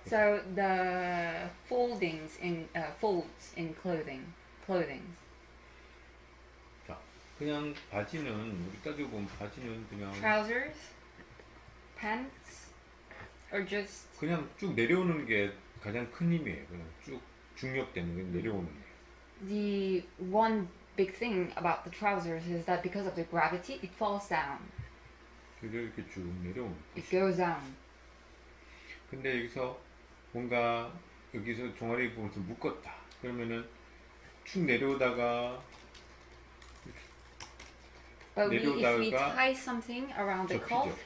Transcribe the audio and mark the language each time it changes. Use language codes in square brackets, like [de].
[en] So the foldings in folds in clothing. [ko] 자, 그냥 바지는 우리 따지고 보면 바지는 그냥 [en] trousers, pants, or just [ko] 그냥 쭉 내려오는 게 가장 큰 힘이에요. 그냥 쭉 중력되는 게 내려오는 게. [en] The one big thing about the trousers is that because of the gravity, it falls down. [ko] 이렇게 쭉 내려오는 [en] It goes down. [ko] 근데 여기서 뭔가 여기서 종아리 부분에서 묶었다. 그러면은 쭉 내려오다가 [en] But if we tie something around the cuff,